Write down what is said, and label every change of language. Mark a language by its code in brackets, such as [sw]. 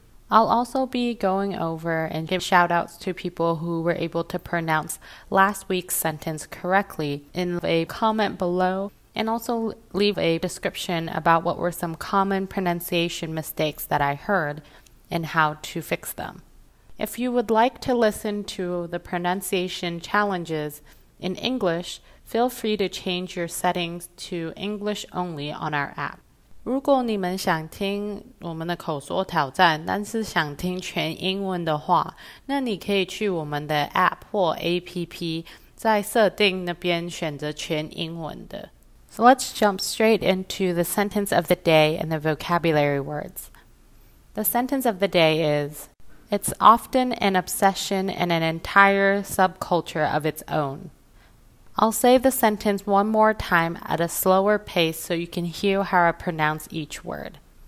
[en] I'll also be going over and give shout-outs to people who were able to pronounce last week's sentence correctly in a comment below, and also leave a description about what were some common pronunciation mistakes that I heard and how to fix them. If you would like to listen to the pronunciation challenges in English, feel free to change your settings to English only on our app. [zh] 如果你们想听我们的口说挑战，但是想听全英文的话，那你可以去我们的 App 或 APP，在设定那边选择全英文的。 [en] So let's jump straight into the sentence of the day and the vocabulary words. The sentence of the day is, "It's often an obsession and an entire subculture of its own." I'll say the sentence one more time at a slower pace so you can hear how I pronounce each word.